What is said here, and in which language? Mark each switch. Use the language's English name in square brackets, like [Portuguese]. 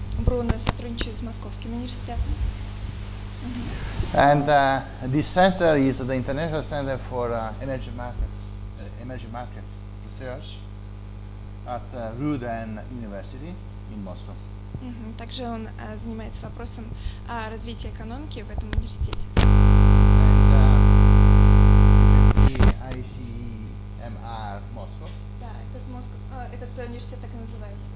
[Russian] Бруно сотрудничает с Московским университетом. [English] And this center is the International Center for Energy Markets Research at Rudan University in Moscow. [Russian] Также он занимается вопросом развития экономики в этом университете. [English] And ICMR Moscow. [Russian] Да, этот университет так и называется.